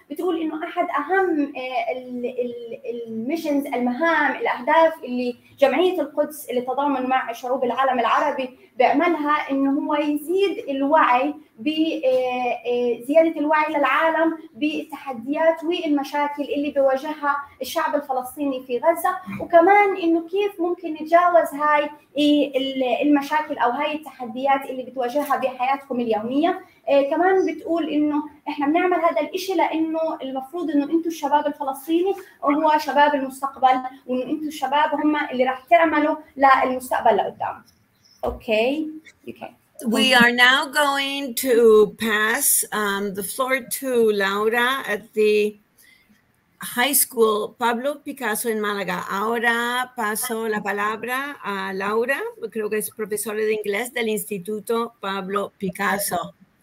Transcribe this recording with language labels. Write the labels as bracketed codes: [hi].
[ar] بتقول إنه أحد أهم الميشنز المهام الأهداف اللي جمعية القدس اللي تضامن مع شعوب العالم العربي بعملها إنه هو يزيد الوعي بزيادة الوعي للعالم بالتحديات والمشاكل اللي بيواجهها الشعب الفلسطيني في غزة وكمان إنه كيف ممكن نتجاوز هاي المشاكل أو هاي التحديات اللي بتواجهها بحياتكم اليومية. كمان بتقول إنه إحنا بنعمل هذا الإشي لأنه المفروض إنه أنتوا الشباب الفلسطيني وهو شباب المستقبل وإنه أنتوا الشباب هم اللي راح تعملوا للمستقبل لقدام. [en] Okay, okay. We are now going to pass the floor to Laura at the high school Pablo Picasso in Málaga. [es] Ahora paso la palabra a Laura, creo que es profesora de inglés del Instituto Pablo Picasso.